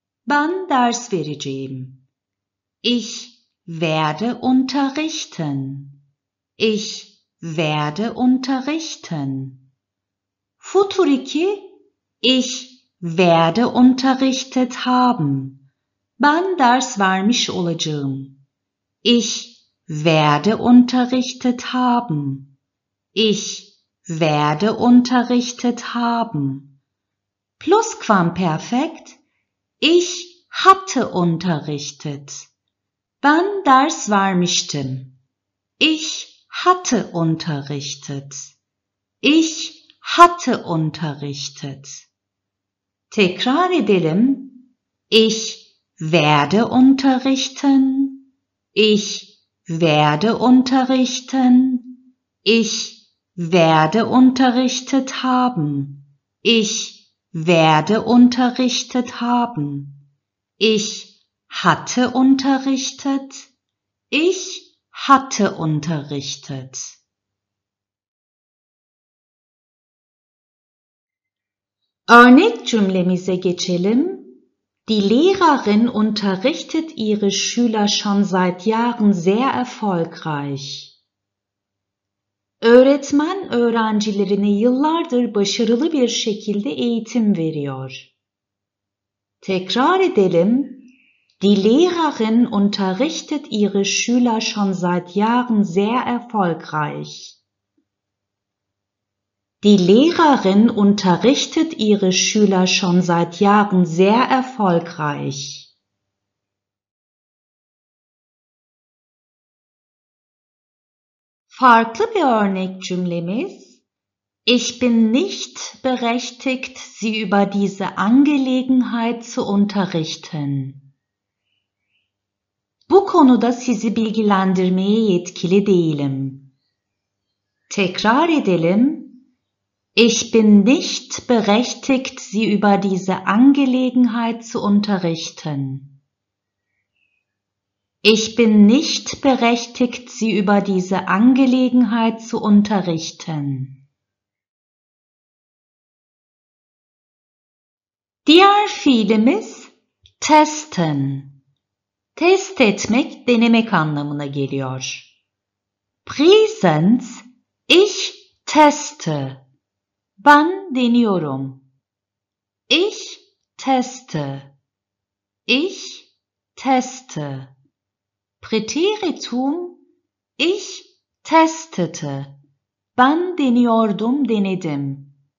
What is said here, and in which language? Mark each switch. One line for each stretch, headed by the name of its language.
Turkish: Ben ders vereceğim.
German: Ich werde unterrichten. Ich werde unterrichten. Futur iki, ich werde unterrichtet haben.
Turkish: Ben ders vermiş olacağım.
German: Ich werde unterrichtet haben. Ich werde unterrichtet haben. Plusquamperfekt. Ich hatte unterrichtet.
Turkish: Ben ders vermiştim.
German: Ich hatte unterrichtet. Ich hatte unterrichtet.
Turkish: Tekrar edelim.
German: Ich werde unterrichten. Ich werde unterrichten. Ich werde unterrichtet haben. Ich werde unterrichtet haben. Ich hatte unterrichtet. Ich hatte unterrichtet.
Turkish: Örnek cümlemize geçelim.
German: Die Lehrerin unterrichtet ihre Schüler schon seit Jahren sehr erfolgreich.
Turkish: Öğretmen öğrencilerine yıllardır başarılı bir şekilde eğitim veriyor. Tekrar edelim.
German: Die Lehrerin unterrichtet ihre Schüler schon seit Jahren sehr erfolgreich. Die Lehrerin unterrichtet ihre Schüler schon seit Jahren sehr erfolgreich.
Turkish: Farklı bir örnek cümlemiz.
German: Ich bin nicht berechtigt, Sie über diese Angelegenheit zu unterrichten.
Turkish: Bu konuda sizi bilgilendirmeye yetkili değilim. Tekrar edelim.
German: Ich bin nicht berechtigt, Sie über diese Angelegenheit zu unterrichten. Ich bin nicht berechtigt, Sie über diese Angelegenheit zu unterrichten.
Turkish: Diğer fiilimiz testen. Test etmek, denemek anlamına geliyor.
German: Präsenz, ich teste.
Turkish: Ben deniyorum.
German: Ich teste. Ich teste. Präteritum, ich testete.
Turkish: Ben deniyordum, denedim.